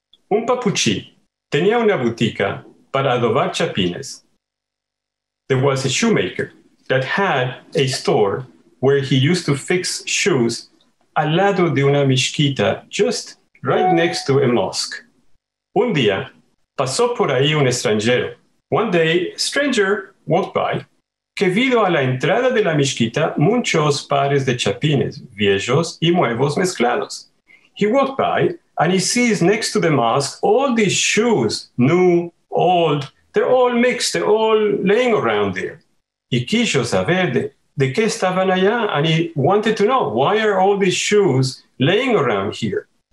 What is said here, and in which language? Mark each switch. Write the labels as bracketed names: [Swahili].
[Ladino] Un papuchi tenía una boutique para adobar chapines. [English] There was a shoemaker that had a store where he used to fix shoes [Ladino] al lado de una mezquita, [English] just right next to a mosque. [Ladino] Un día, pasó por ahí un extranjero. [English] One day, a stranger walked by, [Ladino] que vio a la entrada de la mezquita muchos pares de chapines, viejos y nuevos mezclados. [English] He walked by, and he sees next to the mosque all these shoes, new, old, they're all mixed, they're all laying around there. [Ladino] Y quiso saber de qué estaban allá, [English] and he wanted to know, why are all these shoes laying around here?